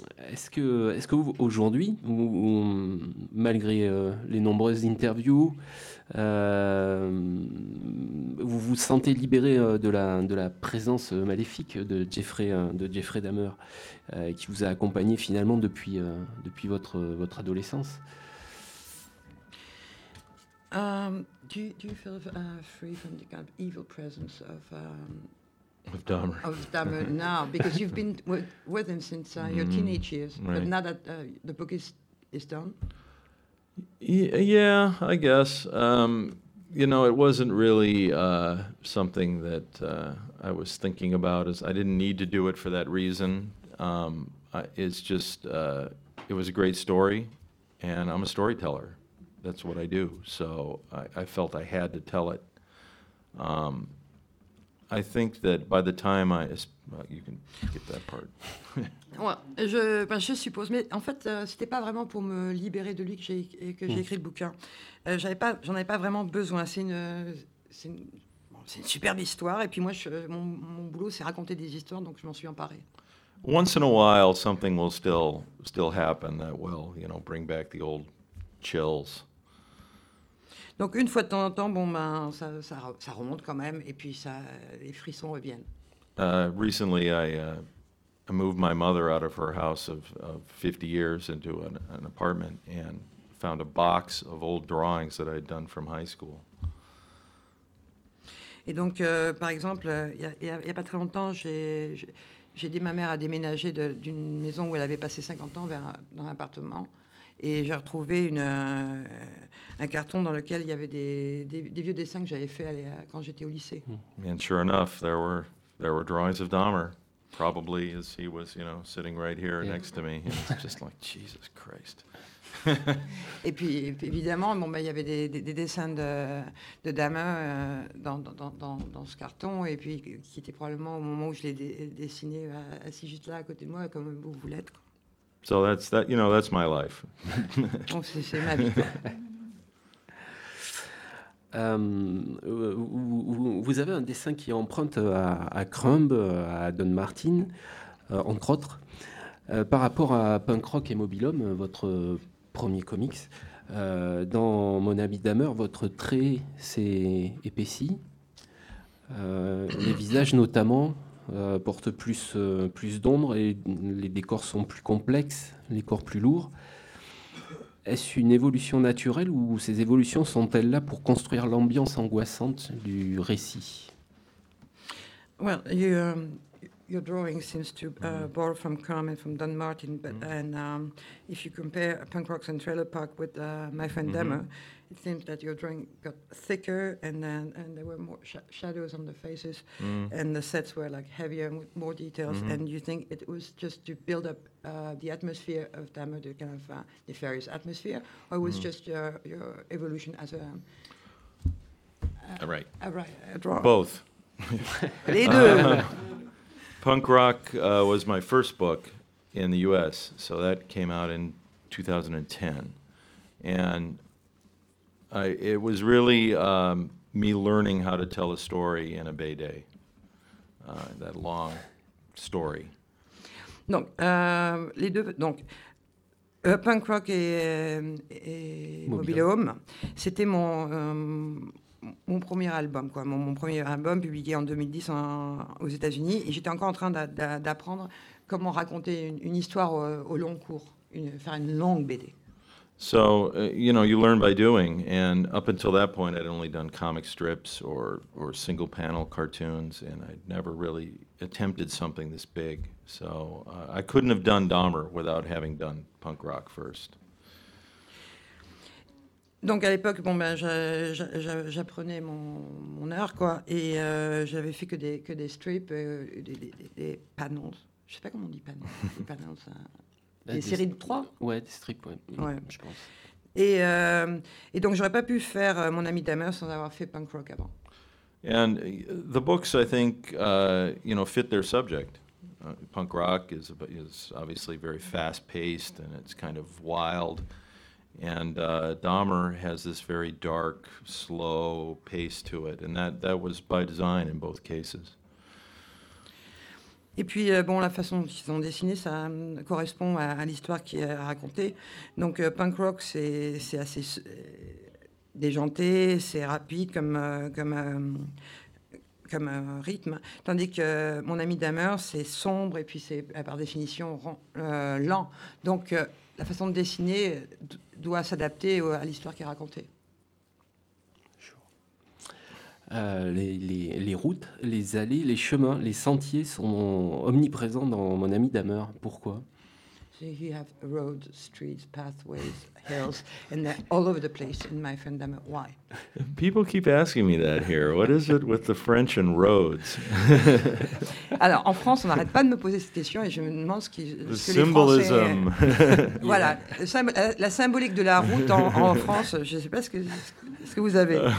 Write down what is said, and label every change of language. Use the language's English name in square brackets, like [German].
[French] Est-ce que aujourd'hui, malgré les nombreuses interviews, vous vous sentez libéré de la présence maléfique de Jeffrey Dahmer, qui vous a accompagné finalement depuis votre adolescence? [English] Do you feel free from the kind of evil presence of Dahmer. Of Dahmer now, because you've been with him since your teenage years, right. But now that the book is done? Yeah, I guess. You know, it wasn't really something that I was thinking about. I didn't need to do it for that reason. It was a great story, and I'm a storyteller. That's what I do. So I felt I had to tell it. I think that by the time you can get that part. [French] Ouais, je suppose, mais en fait, c'était pas vraiment pour me libérer de lui que j'ai écrit le bouquin. J'en avais pas vraiment besoin. C'est une superbe histoire, et puis moi, mon boulot, c'est raconter des histoires, donc je m'en suis emparé. [English] Once in a while, something will still happen that will, you know, bring back the old chills. [French] Donc une fois de temps en temps, bon ben ça remonte quand même et puis ça les frissons reviennent. [English] Recently, I moved my mother out of her house of 50 years into an apartment and found a box of old drawings that I'd done from high school. [French] Et donc par exemple, il y a pas très longtemps, j'ai aidé ma mère à déménager d'une maison où elle avait passé 50 ans dans un appartement. Et j'ai retrouvé un carton dans lequel il y avait des vieux dessins que j'avais faits quand j'étais au lycée. [English] And sure enough, there were drawings of Dahmer, probably as he was, you know, sitting right here next to me. It's just like Jesus Christ. [French] Et puis évidemment, bon ben il y avait des dessins de Dahmer dans ce carton, et puis qui était probablement au moment où je l'ai dessiné assis juste là à côté de moi, comme vous l'êtes. Quoi. [English] So that's that. You know, that's my life. [French] C'est ma vie. Vous avez un dessin qui emprunte à Crumb, à Don Martin, entre autres, par rapport à Punk Rock et Mobile Homme, votre premier comics. Dans Mon ami Dahmer, votre trait s'est épaissi. Les visages, notamment, portent plus d'ombre et les décors sont plus complexes, les corps plus lourds. Est-ce une évolution naturelle ou ces évolutions sont-elles là pour construire l'ambiance angoissante du récit? [English] Well, you, your drawing seems to borrow from Carmen, from Don Martin, but and if you compare Punk Rocks and Trailer Park with My Friend Demo, it seems that your drawing got thicker and there were more shadows on the faces and the sets were like heavier and with more details. And you think it was just to build up the atmosphere of Demo, the kind of nefarious atmosphere, or was just your evolution as a drawer? Both. [French] Les deux. [English] Punk Rock was my first book in the U.S., so that came out in 2010. And it was really me learning how to tell a story in a Bay Day, that long story. [French] Donc, les deux, donc, Punk Rock et Mobile Home, c'était mon premier album, quoi. Mon premier album publié en 2010 aux États-Unis. Et j'étais encore en train d'apprendre comment raconter une histoire au long cours, faire une longue BD. [English] So, you know, you learn by doing. And up until that point, I'd only done comic strips or single panel cartoons. And I'd never really attempted something this big. So I couldn't have done Dahmer without having done Punk Rock first. [French] Donc à l'époque, bon ben, j'apprenais mon art, quoi, et j'avais fait que des strips, des panels. Je ne sais pas comment on dit panels. des séries de trois. Ouais, des strips, ouais. Ouais. Je pense. Et donc j'aurais pas pu faire Mon ami Dahmer sans avoir fait Punk Rock avant. [English] And the books, I think, you know, fit their subject. Punk Rock is obviously very fast-paced and it's kind of wild. And Dahmer has this very dark, slow pace to it, and that was by design in both cases. [French] Et puis bon, la façon dont ils ont dessiné, ça correspond à l'histoire qui est racontée. Donc Punk Rock, c'est assez déjanté, c'est rapide comme rythme, tandis que Mon ami Dahmer, c'est sombre et puis c'est par définition lent. Donc la façon de dessiner doit s'adapter à l'histoire qui est racontée. Les routes, les allées, les chemins, les sentiers sont omniprésents dans Mon ami Dahmer. Pourquoi? [English] So you have roads, streets, pathways, hills, and they're all over the place in My Friend Dahmer. Why? People keep asking me that here. What is it with the French and roads? [French] Alors, en France, on n'arrête pas de me poser cette question et je me demande ce que les Français... [English] The symbolism. [French] Voilà, la symbolique de la route en France, je ne sais pas ce que vous avez.